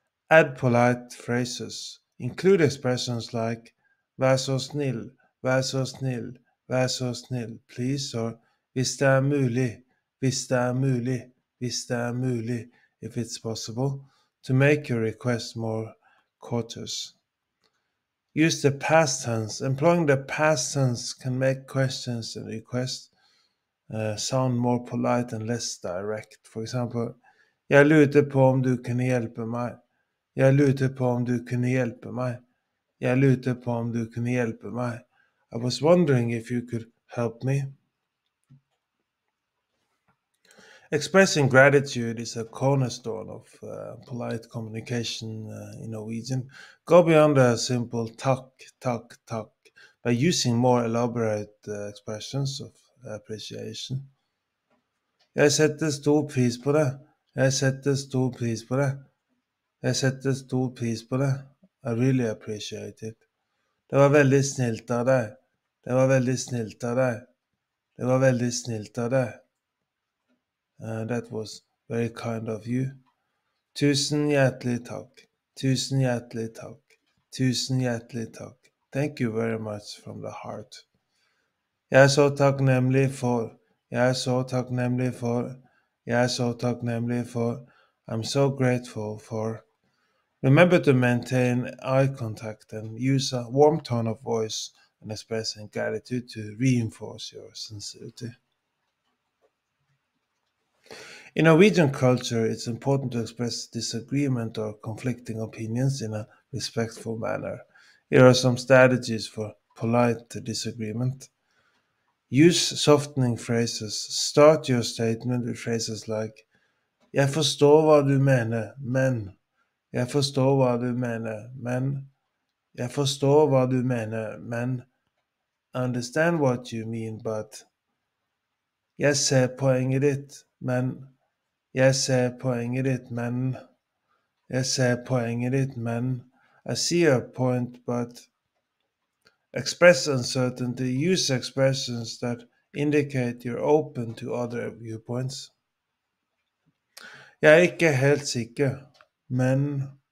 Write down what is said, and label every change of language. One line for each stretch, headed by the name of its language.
English: Add polite phrases. Include expressions like
Norwegian: vær så snill, vær så snill,
English: vær så snill, please, or
Norwegian: hvis det er mulig,
English: hvis det er mulig, hvis det er mulig, if it's possible, to make your request more courteous. Use the past tense. Employing the past tense can make questions and requests sound more polite and less direct. For example,
Norwegian: jeg lurer på om du kan hjelpe meg. Jeg lurte på om du kunne hjelpe meg. Jeg lurte på om du kunne hjelpe meg.
English: I was wondering if you could help me. Expressing gratitude is a cornerstone of polite communication in Norwegian. Go beyond a simple takk, takk, takk by using more elaborate expressions of appreciation.
Norwegian: Jeg setter stor pris på det. Jeg setter stor pris på det. Jeg setter stor pris på det.
English: I really appreciate it.
Norwegian: Det var veldig snilt av deg. Det var veldig snilt av deg. Det var veldig snilt av deg.
English: That was very kind of you.
Norwegian: Tusen hjertelig takk. Tusen hjertelig takk. Tusen hjertelig takk.
English: Thank you very much from the heart.
Norwegian: Jeg er så takknemlig for. Jeg er så takknemlig for. Jeg er så takknemlig for.
English: I'm so grateful for. Remember to maintain eye contact and use a warm tone of voice and expressing gratitude to reinforce your sincerity. In Norwegian culture, it's important to express disagreement or conflicting opinions in a respectful manner. Here are some strategies for polite disagreement. Use softening phrases. Start your statement with phrases like,
Norwegian: jeg forstår hva du mener, men. Jeg forstår hva du mener, men. Jeg forstår hva du mener, men.
English: I understand what you mean, but.
Norwegian: Jeg ser poenget ditt, men. Jeg ser poenget ditt, men. Jeg ser poenget ditt, men.
English: I see your point, but. Express uncertainty. Use expressions that indicate you're open to other viewpoints.
Norwegian: Jeg er ikke helt sikker. Men,